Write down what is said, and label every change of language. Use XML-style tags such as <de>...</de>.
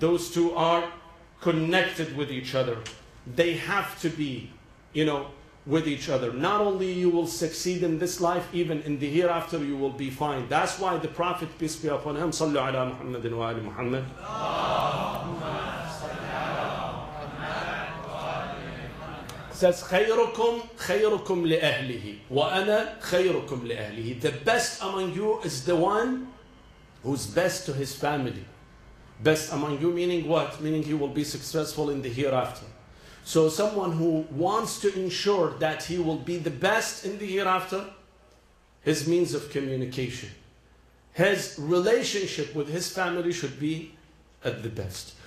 <en>Those two are connected with each other. They have to be, you know, with each other. Not only you will succeed in this life, even in the hereafter you will be fine. That's why the Prophet, peace be upon him,</en> <ar>صلى على محمد وآل محمد.</ar> <en>Says,</en> <ar>خيركم خيركم لأهله وأنا خيركم لأهله.</ar> <en>The best among you is the one who's best to his family. Best among you meaning what? Meaning he will be successful in the hereafter. So someone who wants to ensure that he will be the best in the hereafter, his means of communication, his relationship with his family should be at the best.</en>